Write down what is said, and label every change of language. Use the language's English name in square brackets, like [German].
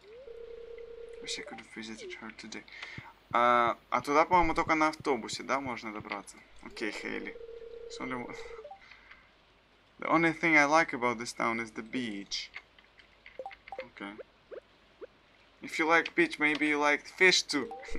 [English] I wish I could have visited her today. [Russian] А туда, по-моему, только на автобусе, да, можно добраться? Окей, Хейли. [English] The only thing I like about this town is the beach. Okay. If you like beach, maybe you like fish too.